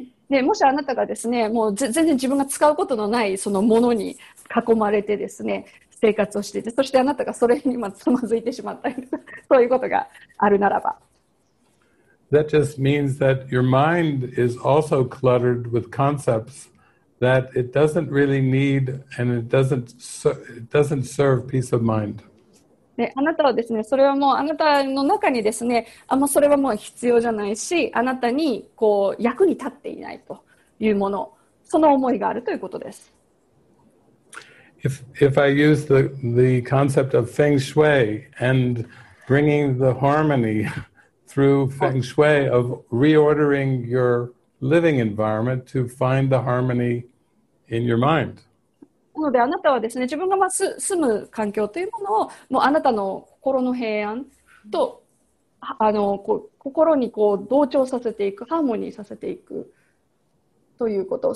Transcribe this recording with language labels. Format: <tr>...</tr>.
<ja>でもしあなたがですね、もう全然自分が使うことのないそのものに囲まれてですね、生活をしていて、そしてあなたがそれにまつまずいてしまったりそういうことがあるならば、</ja> <en>That just means that your mind is also cluttered with concepts that it doesn't really need and it doesn't serve peace of mind.</en> <ja>で、あなたはですね、それはもうあなたの中にですね、あんまそれはもう必要じゃないし、あなたにこう役に立っていないというもの、その思いがあるということです。</ja> <en>If I use the concept of feng shui and bringing the harmony through feng shui of reordering your living environment to find the harmony in your mind.</en> <ja>なのであなたはですね、自分が住む環境というものをもうあなたの心の平安とあのこう心にこう同調させていく、ハーモニーさせていくということ。</ja>